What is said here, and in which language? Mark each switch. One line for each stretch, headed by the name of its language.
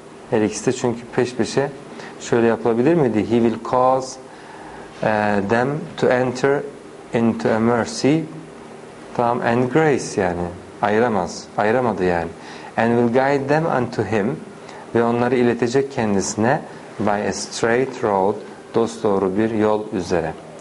Turkish: Her ikisi de çünkü peş peşe şöyle yapılabilir miydi?
English: He will cause them to enter into a mercy.
Turkish: Tamam,
English: and grace
Turkish: yani. Ayıramaz. Ayıramadı yani.
English: And will guide them unto him.
Turkish: Ve onları iletecek kendisine,
English: by a straight road,
Turkish: dosdoğru bir yol üzere.